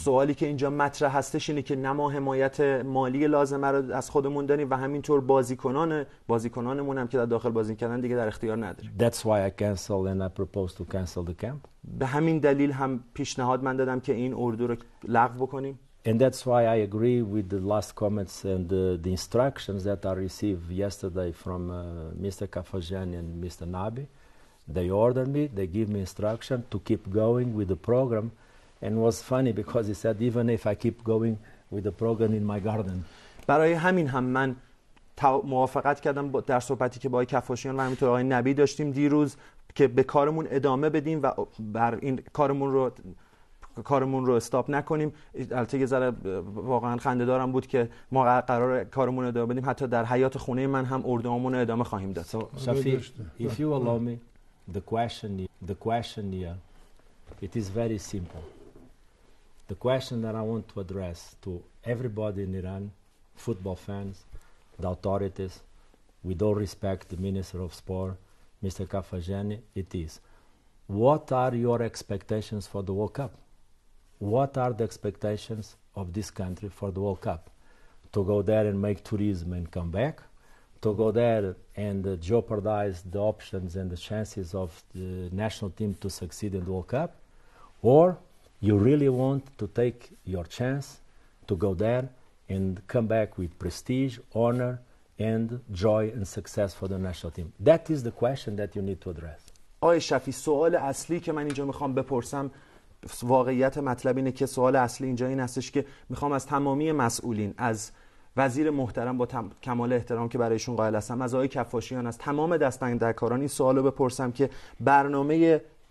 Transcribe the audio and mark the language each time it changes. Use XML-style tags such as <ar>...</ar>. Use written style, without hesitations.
<fa>سوالی که اینجا مطرح هستش اینه که نه ما حمایت مالی لازمه رو از خودمون داریم و همینطور بازیکنانمون هم که در داخل بازی کردن دیگه در اختیار نداریم.</fa> <en>That's why I cancel and I propose to cancel the camp.</en> <fa>به همین دلیل هم پیشنهاد من دادم که این اردو رو لغو بکنیم.</fa> <en>And that's why I agree with the last comments and the instructions that I received yesterday from Mr. Cafagene and Mr. Nabi. They ordered me, they give me instruction to keep going with the program. And it was funny because he said, even if I keep going with the program in my garden.</en> <fa>برای همین هم من موافقت کردم در صحبتی که با آقای کفاشیان و همینطور آقای نبی داشتیم دیروز که به کارمون ادامه بدیم و بر این کارمون رو کارمون رو استاپ نکنیم. البته یه ذره واقعا خنده دارم بود که ما قرار کارمون رو ادامه بدیم، حتی در حیات خونه من هم اردوامون رو ادامه خواهیم داد.</fa> <en>صافی، if you allow me, the question here, it is very simple. The question that I want to address to everybody in Iran, football fans, the authorities, with all respect, the Minister of Sport, Mr. Kafajani, it is, what are your expectations for the World Cup? What are the expectations of this country for the World Cup? To go there and make tourism and come back? To go there and jeopardize the options and the chances of the national team to succeed in the World Cup? Or you really want to take your chance to go there and come back with prestige, honor, and joy and success for the national team? That is the question that you need to address.</en> <fa>آقای شفیع، سوال اصلی که من اینجا میخوام بپرسم، واقعیت مطلب اینه که سوال اصلی اینجا این هستش که میخوام از تمامی مسئولین، از وزیر محترم با کمال احترام که برایشون قائل هستم، از آقای کفاشیان، از تمام دستاندرکاران این سوالو بپرسم که برنامه</fa>